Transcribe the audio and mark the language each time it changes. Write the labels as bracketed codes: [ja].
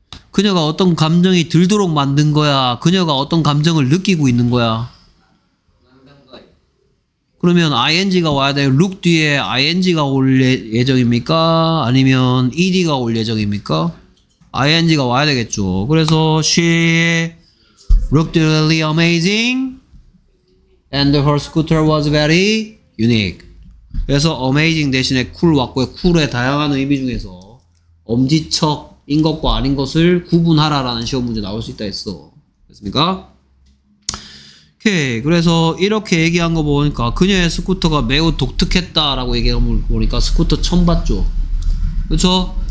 [ko] 그녀가 어떤 감정이 들도록 만든 거야? 그녀가 어떤 감정을 느끼고 있는 거야? 그러면 ing가 와야 돼. look 뒤에 ing가 올 예정입니까? 아니면 ed가 올 예정입니까? ing가 와야 되겠죠. 그래서 [en] she looked really amazing and her scooter was very unique. [ko] 그래서 amazing 대신에 cool 왔고요. cool의 다양한 의미 중에서 엄지척인 것과 아닌 것을 구분하라라는 시험 문제 나올 수 있다 했어. 됐습니까? 오케이. 그래서 이렇게 얘기한 거 보니까 그녀의 스쿠터가 매우 독특했다 라고 얘기한 걸 보니까 스쿠터 처음 봤죠. 그쵸?